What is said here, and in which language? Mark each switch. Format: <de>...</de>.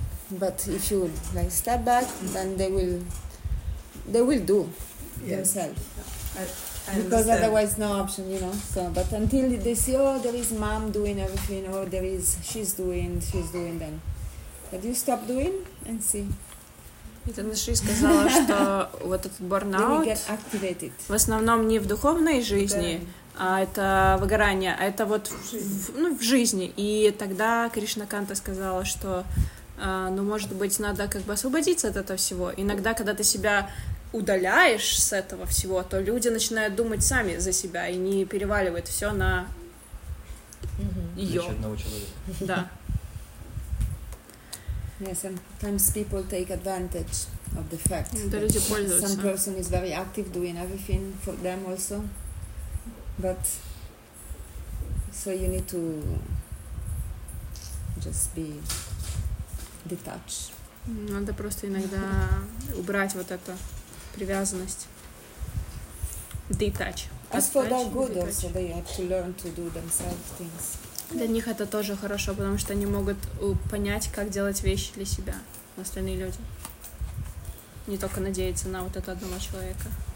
<en>But if you like step back, then they will do yes. themselves. I because otherwise, no option, you know. So, but until they see, oh, there is mom doing everything, or there is she's doing, then. But you stop doing and see.</en> <ru>И Танаши сказала, что вот этот burnout в основном не в духовной жизни, а это выгорание, а это вот в жизни. И тогда Кришна Канта сказала, что, может быть, надо как бы освободиться от этого всего. Иногда, когда ты себя удаляешь с этого всего, то люди начинают думать сами за себя и не переваливают все на ее. Да.</ru> <en>Yes, sometimes people take advantage of the fact that some person is very active doing everything for them also. But so you need to just be detached.</en> <ru>Надо просто иногда убрать вот эту привязанность.</ru> <en>Detach. As for their good also, they have to learn to do themselves things.</en> <ru>Для них это тоже хорошо, потому что они могут понять, как делать вещи для себя, остальные люди. Не только надеяться на вот этого одного человека.</ru>